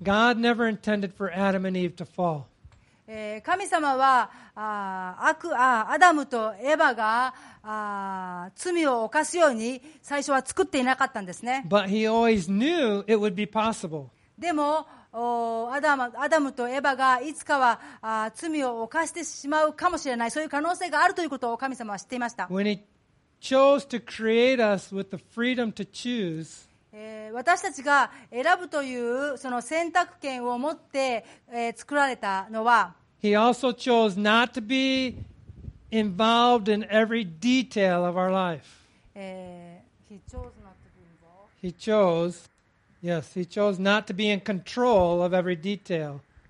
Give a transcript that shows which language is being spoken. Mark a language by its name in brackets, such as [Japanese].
[English] God never intended for Adam and Eve to fall. [Japanese] 神様はアダムとエヴァが罪を犯すように最初は作っていなかったんですね。 [English] But he always knew it would be possible. [Japanese] でもアダムとエヴァがいつかは罪を犯してしまうかもしれない、そういう可能性があるということを神様は知っていました。 [English] Chose to create us with the freedom to choose. [Japanese] 私たちが選ぶというその選択権を持って作られたのは、 [English] He also chose not to be involved in every detail of our life. He chose not to be involved. He chose, yes, he chose not to be in control of every detail.